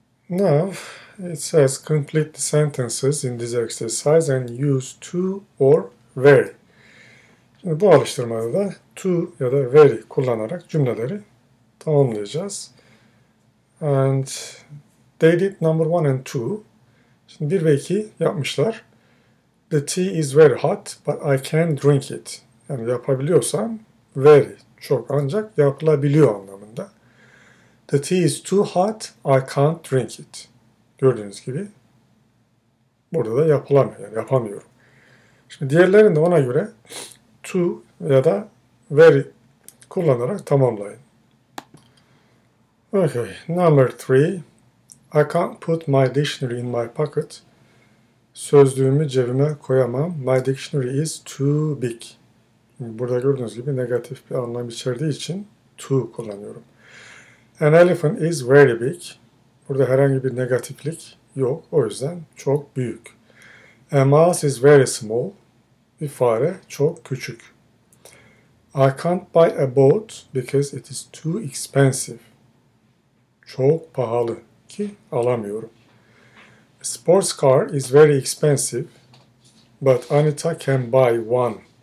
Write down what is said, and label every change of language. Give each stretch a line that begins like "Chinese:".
English: Now, it says complete the sentences in this exercise and use to or very.
Turkish: Şimdi bu alıştırmada da to ya da very kullanarak cümleleri tamamlayacağız.
English: And they did number one and two.
Turkish: Şimdi bir ve iki yapmışlar.
English: The tea is very hot, but I can drink it.
Turkish: Yani yapabiliyorsam very, çok, ancak yapılabiliyor anlamında.
English: The tea is too hot, I can't drink it.
Turkish: Gördüğünüz gibi burada da yapılamıyor, yani yapamıyorum. Şimdi diğerlerini de ona göre too ya da very kullanarak tamamlayın.
English: Okay, number three. I can't put my dictionary in my pocket.
Turkish: Sözlüğümü cebime koyamam.
English: My dictionary is too big.
Turkish: Burada gördüğünüz gibi negatif bir anlam içerdiği için too kullanıyorum.
English: An elephant is very big.
Turkish: Burada herhangi bir negatiflik yok. O yüzden çok büyük.
English: A mouse is very small.
Turkish: Bir fare çok küçük.
English: I can't buy a boat because it is too expensive.
Turkish: Çok pahalı ki alamıyorum.
English: A sports car is very expensive, but Anita can buy one.